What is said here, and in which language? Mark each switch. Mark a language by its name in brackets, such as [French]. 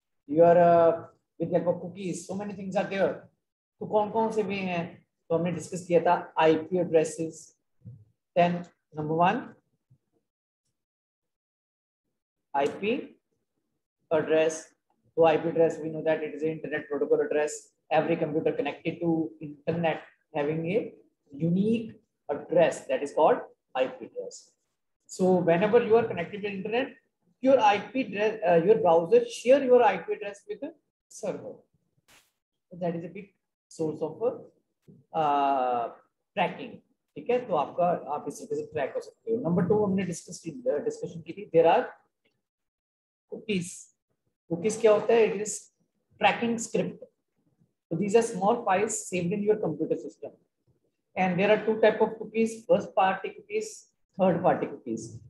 [English] Your with help of cookies. So many things are there. [Hindi] तो कौन-कौन से भी हैं? तो हमने discuss किया था IP addresses. [English] Then number one, IP address. So IP address we know that it is an internet protocol address. Every computer connected to internet having a unique address that is called IP address. So whenever you are connected to internet, your IP address, your browser share your IP address with the server. So that is a big source of tracking. [Hindi] ठीक है तो आपका आप इस तरह से track कर सकते हो. [English] Number two [Hindi] हमने discussion की थी. [English] There are cookies. [Hindi] Cookies क्या होता है? [English] It is tracking script. So these are small files saved in your computer system, and there are two type of cookies: first party cookies, third party cookies.